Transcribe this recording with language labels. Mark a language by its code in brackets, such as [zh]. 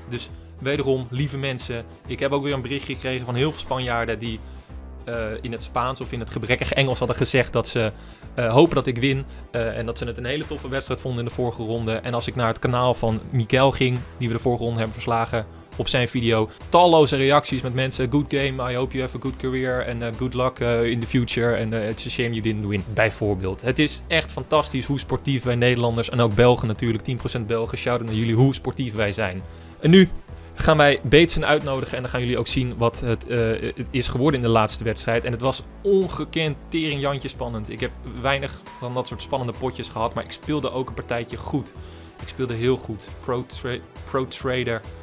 [nl] Dus wederom, lieve mensen, ik heb ook weer een berichtje gekregen van heel veel Spanjaarden die in het Spaans of in het gebrekkige Engels hadden gezegd dat ze hopen dat ik win. En dat ze het een hele toffe wedstrijd vonden in de vorige ronde. En als ik naar het kanaal van Mikel ging, die we de vorige ronde hebben verslagen op zijn video, talloze reacties met mensen. [en] Good game, I hope you have a good career and good luck in the future. And it's a shame you didn't win, [nl] bijvoorbeeld. Het is echt fantastisch hoe sportief wij Nederlanders en ook Belgen natuurlijk, 10% Belgen, shout-out naar jullie, hoe sportief wij zijn. En nu gaan wij Beetsen uitnodigen en dan gaan jullie ook zien wat het is geworden in de laatste wedstrijd. En het was ongekend teringjantje spannend. Ik heb weinig van dat soort spannende potjes gehad, maar ik speelde ook een partijtje goed. Ik speelde heel goed. Pro Trader...